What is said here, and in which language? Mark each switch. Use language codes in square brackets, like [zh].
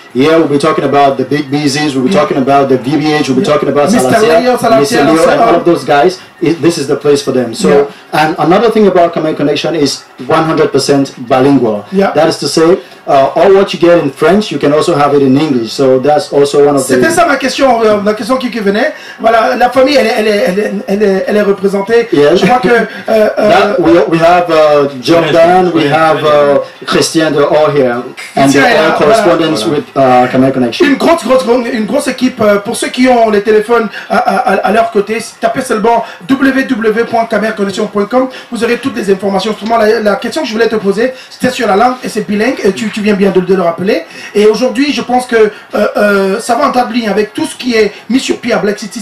[en] Yeah, we'll be talking about the Big Beezys, we'll be talking about the VBH, we'll be talking about Mr. Leo, and all of those guys. This is the place for them. So, and another thing about Khmer Connection is 100% bilingual. Yeah. That is to say, all what you get in French, you can also have it in English. So that's also one of [fr] C'était ça ma question, la question qui venait. Voilà, la famille, elle est représentée. [en] Yes. [fr] Je crois que [en] we have Jordan, we have Christian, they're all here, and they're all correspondents with Khmer Connection. [fr] Une grosse équipe. Pour ceux qui ont les téléphones à leur côté, tapez seulement www.cameraconnexion.com. Vous aurez toutes les informations. Justement, la question que je voulais te poser, c'était sur la langue et c'est bilingue. Et tu viens bien de le rappeler. Et aujourd'hui, je pense que ça va en table ligne avec tout ce qui est mis sur pied à Black City.